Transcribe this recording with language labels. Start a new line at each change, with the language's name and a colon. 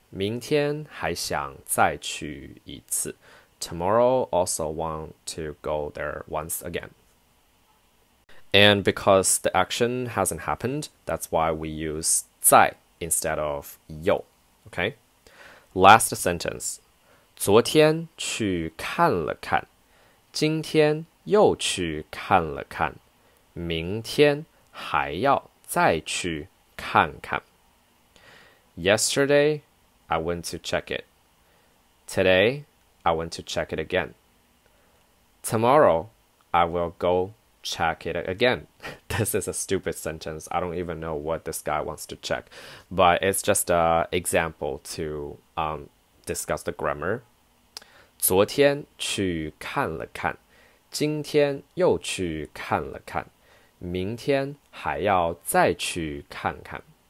Chinese: 明天还想再去一次
English: Tomorrow also want to go there once again. And because the action hasn't happened, that's why we use 再 instead of 又, okay? Last sentence.
Chinese: 昨天去看了看，今天又去看了看，明天还要再去看看。
English: Yesterday, I went to check it. Today, I went to check it again. Tomorrow, I will go check it again. This is a stupid sentence. I don't even know what this guy wants to check. But it's just an example to discuss the grammar.
Chinese: 昨天去看了看，今天又去看了看，明天还要再去看看。